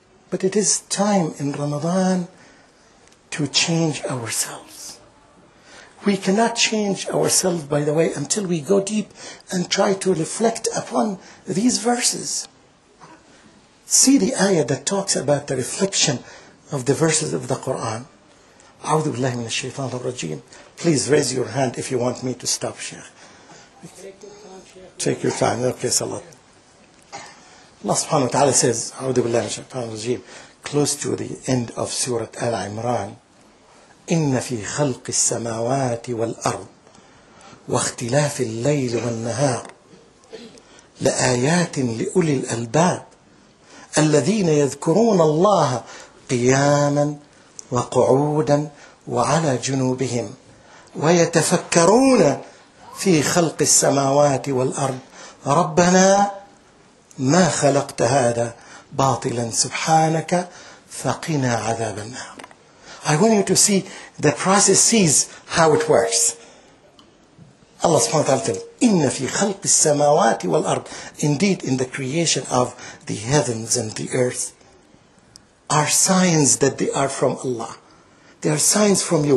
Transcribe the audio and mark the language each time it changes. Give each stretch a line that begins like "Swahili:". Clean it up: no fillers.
English: But it is time in Ramadan to change ourselves. We cannot change ourselves, by the way, until we go deep and try to reflect upon these verses. See the ayah that talks about the reflection of the verses of the Quran.
Arabic: أعوذ بالله من الشيطان الرجيم.
English: Please raise your hand if you want me to stop, Sheikh. Take your time, Sheikh. Take your time. Okay, salat. Allah subhanahu wa ta'ala says,
Arabic: أعوذ بالله من الشيطان الرجيم.
English: Close to the end of Surah Al-Imran.
Arabic: إِنَّ فِي خَلْقِ السَّمَاوَاتِ وَالْأَرْضِ وَاخْتِلَافِ اللَّيْلِ وَالنَّهَارِ لَآيَاتٍ لِأُولِي الْأَلْبَابِ الَّذِينَ يَذْكُرُونَ اللَّهَ قِيَامًا وقعودا وعلى جنوبهم ويتفكرون في خلق السماوات والأرض ربنا ما خلقت هذا باطلا سبحانك فقنا عذاب النار.
English: I want you to see the process sees how it works. Allah subhanahu wa ta'ala tells,
Arabic: إِنَّ فِي خَلْقِ السَّمَاوَاتِ وَالْأَرْضِ.
English: Indeed, in the creation of the heavens and the earth are signs that they are from Allah. They are signs from you.